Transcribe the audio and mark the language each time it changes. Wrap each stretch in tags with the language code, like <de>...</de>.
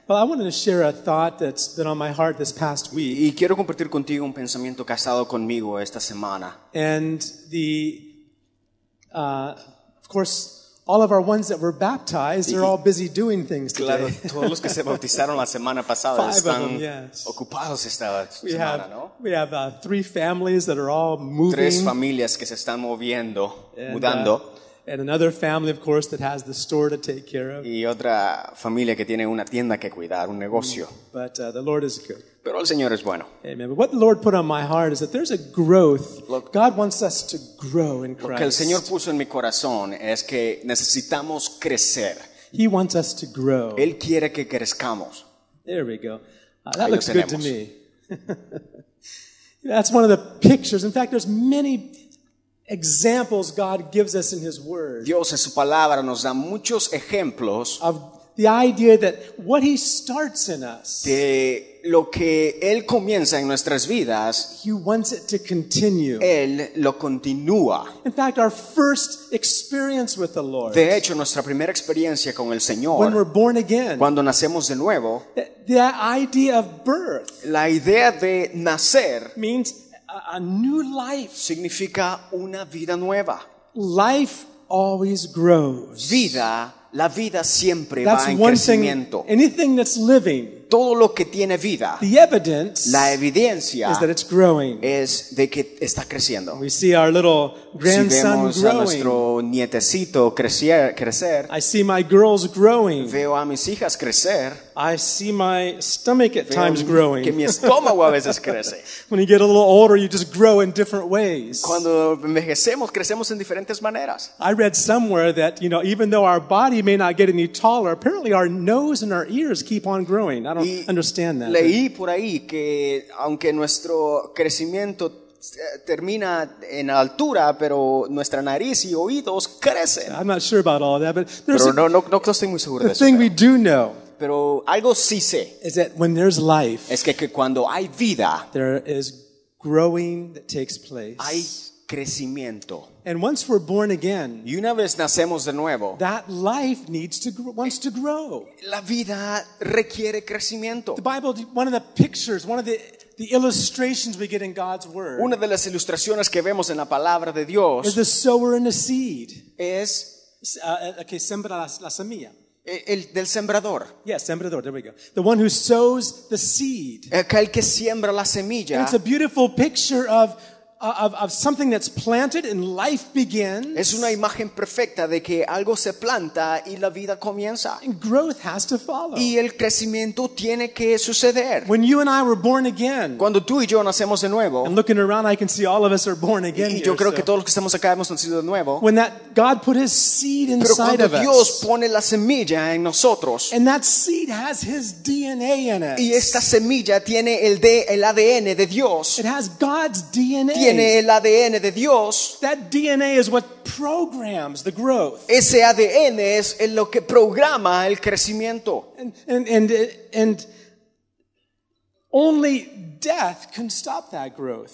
<en>Well, I wanted to share a thought that's been on my heart this past week.</en> <es>Y quiero compartir contigo un pensamiento que ha estado conmigo esta semana.</es> <en>And the, of course, all of our ones that were baptized are all busy doing things today.</en> <es>Claro, todos los que se bautizaron la semana pasada están ocupados esta semana, ¿no?</es> <en>We have three families that are all moving.</en> <es>Tres familias que se están moviendo, mudando.</es> <en>And another family, of course, that has the store to take care of.</en> <es>Y otra familia que tiene una tienda que cuidar, un negocio.</es> <en>But the Lord is good.</en> <es>Pero el Señor es bueno.</es> <en>Amen. But what the Lord put on my heart is that there's a growth. God wants us to grow in Christ.</en> <es>Lo que el Señor puso en mi corazón es que necesitamos crecer.</es> <en>He wants us to grow.</en> <es>Él quiere que crezcamos.</es> <en>There we go. That</en> <es>Ahí</es> <en>looks good to me. That's one of the pictures. In fact, there's many examples God gives us in His Word.</en> <es>Dios en su palabra nos da muchos ejemplos</es> <en>of the idea that what He starts in us,</en> <es>de lo que Él comienza en nuestras vidas,</es> <en>He wants it to continue.</en> <es>Él lo continúa.</es> <en>In fact, our first experience with the Lord.</en> <es>De hecho, nuestra primera experiencia con el Señor.</es> <en>When we're born again.</en> <es>Cuando nacemos de nuevo.</es> <en>The idea of birth.</en> <es>La idea de nacer.</es> <en>Means a new life.</en> <es>Significa una vida nueva.</es> <en>Life always grows.</en> <es>Vida, la vida siempre</es> <en>that's</en> <es>va en crecimiento.</es> <en>Thing, anything that's living,</en> <es>todo lo que tiene vida,</es> <en>the evidence,</en> <es>la evidencia</es> <en>is that it's growing.</en> <es>Es de que está creciendo.</es> <en>We see our little grandson</en> <es>si vemos</es> <en>growing,</en> <es>a nuestro nietecito crecer.</es> <en>I see my girls growing.</en> <es>Veo a mis hijas crecer.</es> <en>I see my stomach at times growing.</en> <es>Que mi estómago a veces crece.</es> <en>When you get a little older, you just grow in different ways.</en> <es>Cuando envejecemos, crecemos en diferentes maneras.</es> <en>I read somewhere that, you know, even though our body may not get any taller, apparently our nose and our ears keep on growing. I don't understand that.</en> <es>Leí por ahí que aunque nuestro crecimiento termina en altura, pero nuestra nariz y oídos crecen.</es> <en>I'm not sure about all of that, but there's</en> <es>pero no estoy muy seguro</es> <en>the</en> <es>de eso,</es> <en>thing</en> <es>pero.</es> <en>We do know.</en> <es>Pero algo sí sé.</es> <en>Is that when there's life,</en> <es>es que cuando hay vida,</es> <en>there is growing that takes place.</en> <es>Hay crecimiento.</es> <en>And once we're born again,</en> <es>y una vez nacemos de nuevo,</es> <en>that life needs to grow, wants to grow.</en> <es>La vida requiere crecimiento.</es> <en>The Bible, one of the pictures, one of the illustrations we get in God's Word,</en> <es>una de las ilustraciones que vemos en la palabra de Dios,</es> <en>is the sower and the seed.</en> <es>Es que sembra la semilla. El del sembrador.</es> <en>Yes, sembrador, there we go. The one who sows the seed.</en> <es>Aquel que siembra la semilla.</es> <en>And it's a beautiful picture of something that's planted and life begins.</en> <es>Es una imagen perfecta de que algo se planta y la vida comienza.</es> <en>And growth has to follow.</en> <es>Y el crecimiento tiene que suceder.</es> <en>When you and I were born again.</en> <es>Cuando tú y yo nacemos de nuevo.</es> <en>And looking around, I can see all of us are born again.</en> <es>Y yo</es> <en>here,</en> <es>creo</es> <en>so.</en> <es>Que todos los que estamos acá hemos nacido de nuevo.</es> <en>When that God put His seed inside</en> <es>Pero cuando</es> <en>of us.</en> <es>Dios pone la semilla en nosotros.</es> <en>And that seed has His DNA in it.</en> <es>Y esta semilla tiene el ADN de Dios.</es> <en>It has God's DNA.</en> <es>Tiene el ADN de Dios.</es> <en>That DNA is what programs the growth.</en> <es>Ese ADN es lo que programa el crecimiento.</es> <en>And only death can stop that growth.</en>